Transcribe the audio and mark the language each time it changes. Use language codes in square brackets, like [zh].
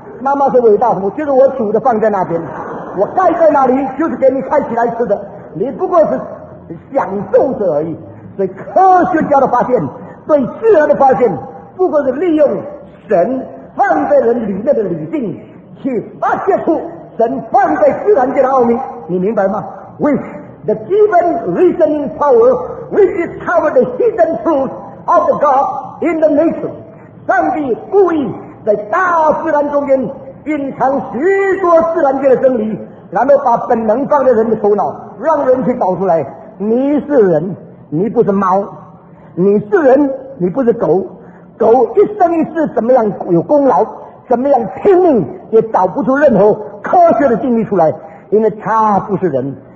[zh] 妈妈说伟大，我就是我煮的放在那边，我盖在那里就是给你开起来吃的，你不过是享受者而已。所以科学家的发现，对自然的发现，不过是利用神放在人里面的理性去发现出神放在自然界的奥秘，你明白吗？ [en] With the given reasoning power we discover the hidden truth of the God in the nature. [zh] 上帝故意在大自然中间隐藏许多自然界的真理，然后把本能放在人的头脑，让人去找出来。你是人，你不是猫；你是人，你不是狗。狗一生一世怎么样有功劳，怎么样拼命，也找不出任何科学的定义出来，因为它不是人。